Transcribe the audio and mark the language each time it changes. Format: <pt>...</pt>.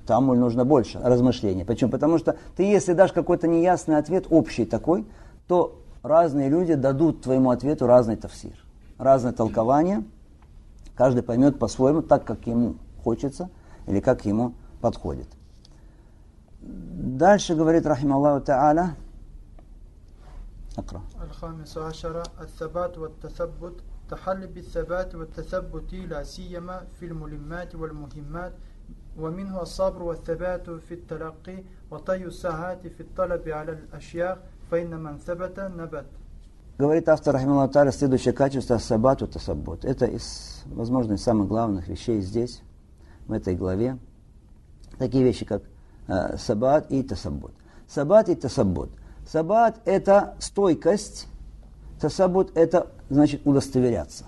<ru>Таамуль нужно больше размышления. Почему? Потому что ты, если дашь какой-то неясный ответ, общий такой, то разные люди дадут твоему ответу разный тафсир, разное толкование. Каждый поймет по-своему, так, как ему хочется, или как ему подходит. Дальше говорит рахима Аллаху Тааля. Акра.</ru> <ar>الخامس عشر الثبات والتثبت تحلي بالثبات والتثبت لا سيما في الملمات والمهمات ومنه الصبر والثبات في التلقي وطي الساعات في الطلب على الأشياء فإن من ثبت نبت.</ar> <ru>Говорит автор рахима Аллаху Тааля следующее качество ас-сабат ват-тасаббут. Это из, возможно, из самых главных вещей здесь, в этой главе. Такие вещи, как сабат и тасаббут. Сабат и тасаббут. Сабат – это стойкость. Тасаббут – это, значит, удостоверяться.</ru>